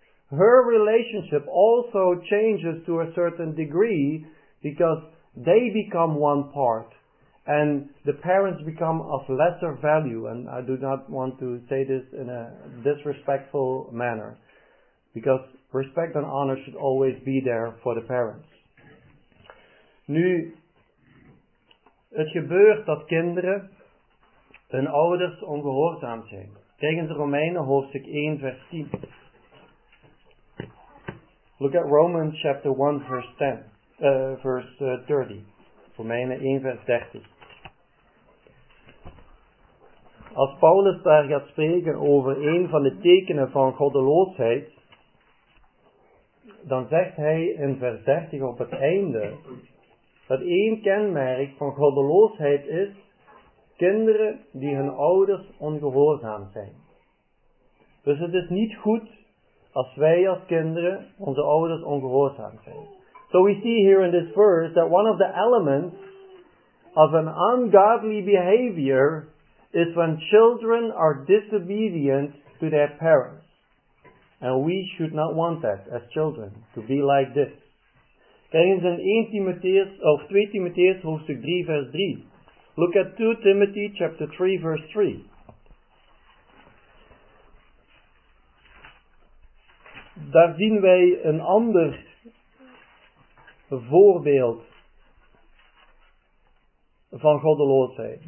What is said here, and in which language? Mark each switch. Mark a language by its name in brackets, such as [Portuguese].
[English] her relationship also changes to a certain degree because they become one part and the parents become of lesser value. And I do not want to say this in a disrespectful manner because respect and honor should always be there for the parents. [Dutch] Nu, het gebeurt dat kinderen hun ouders ongehoorzaam zijn. Kijk eens Romeinen hoofdstuk 1 vers 10. [English] Look at Romans chapter 1 verse 10, verse 30. [Dutch] Romeinen 1 vers 30. Als Paulus daar gaat spreken over een van de tekenen van goddeloosheid, dan zegt hij in vers 30 op het einde dat één kenmerk van goddeloosheid is kinderen die hun ouders ongehoorzaam zijn. Dus het is niet goed als wij als kinderen onze ouders ongehoorzaam zijn. [English] So we see here in this verse that one of the elements of an ungodly behavior is when children are disobedient to their parents. And we should not want that as children, to be like this. [Dutch] Kijk eens in 1 Timotheus, of 2 Timotheus hoofdstuk 3 vers 3. [English] Look at 2 Timothy chapter 3 verse 3. [Dutch] Daar zien wij een ander voorbeeld van goddeloosheid.